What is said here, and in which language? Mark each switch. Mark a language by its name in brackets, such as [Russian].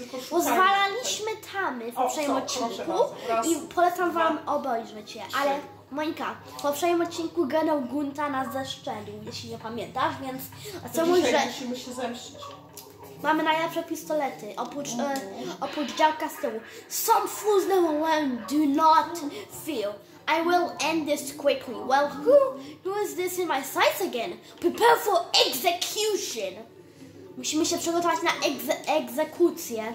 [Polish] Rozwalaliśmy tamy w poprzednim odcinku i polecam wam obejrzeć je, ale... Monika, w poprzednim odcinku Ganel Gunta nas zeszczelił, jeśli nie pamiętasz, więc a co mój rzecz? Musimy się zemścić. Mamy najlepsze pistolety, oprócz działka z tyłu. [English] Some fools know when do not feel. I will end this quickly. Well, who is this in my sights again? Prepare for execution! [Polish] Musimy się przygotować na egzekucję.